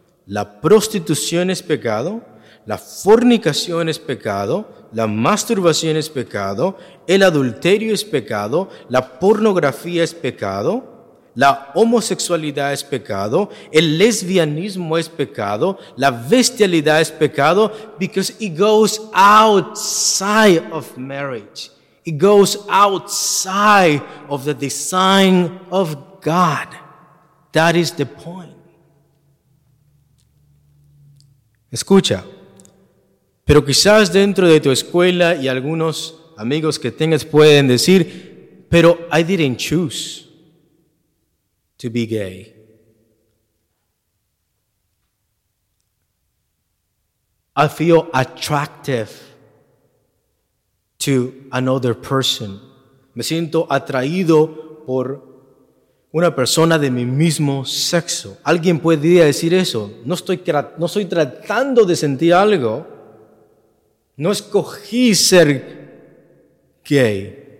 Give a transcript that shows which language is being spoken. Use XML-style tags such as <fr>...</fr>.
<es>La prostitución es pecado, la fornicación es pecado, la masturbación es pecado, el adulterio es pecado, la pornografía es pecado, la homosexualidad es pecado, el lesbianismo es pecado, la bestialidad es pecado,</es> <en>because it goes outside of marriage. It goes outside of the design of God. That is the point.</en> <es>Escucha, pero quizás dentro de tu escuela y algunos amigos que tengas pueden decir, pero</es> <en>I didn't choose to be gay. I feel attractive to another person.</en> <es>Me siento atraído por una persona de mi mismo sexo. Alguien podría decir eso. No estoy tratando de sentir algo. No escogí ser gay.</es>